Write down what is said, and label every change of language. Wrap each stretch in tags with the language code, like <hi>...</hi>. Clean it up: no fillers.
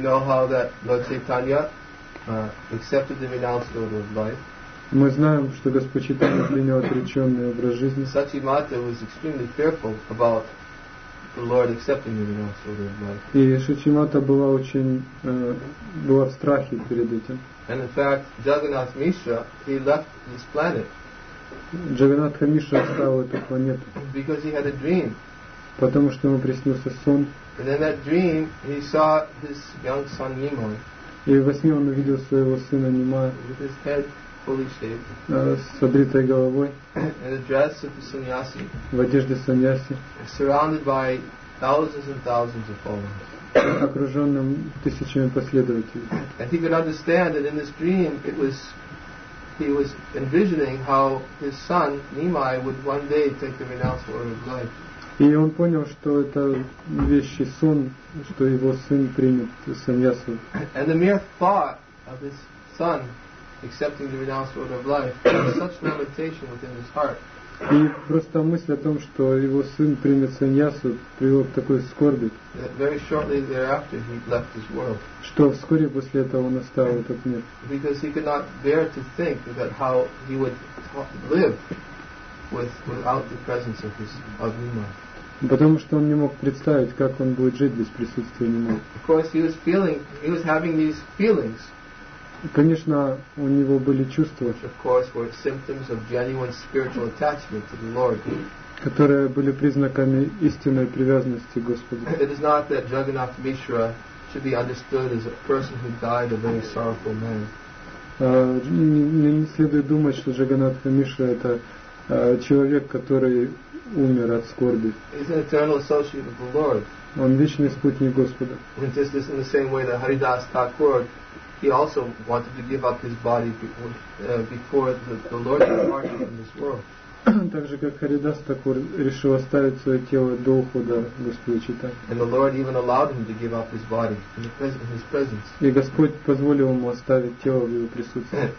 <en>We know how that Lord Chaitanya accepted the renounced order of life.</en> <ru>Мы знаем, что Господь Чайтанья принял отреченный образ жизни.</ru> <en>Сачимата was extremely fearful about the Lord accepting the renounced order of life.</en> <ru>И Сачимата была была в страхе перед этим.</ru> <en>And in fact, Jagannath Mishra, he left this planet.</en> <ru>Джагнатха Мишра оставил эту планету.</ru> <en>Because he had a dream.</en> <ru>Потому что ему приснился сон.</ru> <en>And in that dream, he saw his young son Nimai.</en> <ru>И во сне он увидел своего сына Нимая.</ru> <en>With his head fully shaved.</en> <ru>С обритой головой.</ru> <en>In the dress of the sannyasi.</en> <ru>В одежде сannyasi.</ru> <en>Surrounded by thousands and thousands of followers.</en> <ru>Окруженным тысячами последователей.</ru> <en>And he could understand that in this dream, he was envisioning how his son Nimai would one day take the renounced order of life.</en> <ru>И он понял, что это вещий сон, что его сын примет саньясу.</ru> <en>And the mere thought of his son accepting the renounced order of life was such limitation within his heart.</en> <ru>И просто мысль о том, что его сын примет саньясу, привел к такой скорби.</ru> <en>That very shortly thereafter he left this world.</en> <ru>Что вскоре после этого он оставил этот мир.</ru> <en>Because he could not bear to think about how he would live without the presence of his of Nimai.</en> <ru>Потому что он не мог представить, как он будет жить без присутствия Нимая.</ru> <en>Of course, he was having these feelings.</en> <ru>Конечно, у него были чувства.</ru> <en>Which of course were symptoms of genuine spiritual attachment to the Lord.</en> <ru>Которые были признаками истинной привязанности к Господу.</ru> <en>It is not that Jagannath Mishra should be understood as a person who died a very sorrowful man.</en> <ru>Не следует думать, что Джаганнатха Мишра это человек, который умер от скорби.</ru> <en>He's an eternal associate of the Lord.</en> <ru>Он вечный спутник Господа.</ru> <en>And just in the same way that Haridas Thakur, he also wanted to give up his body before the Lord departed from this world.</en> <ru>Так же, как Харидас Такур решил оставить свое тело до ухода Господа Читания. И Господь позволил ему оставить тело в его присутствии.</ru>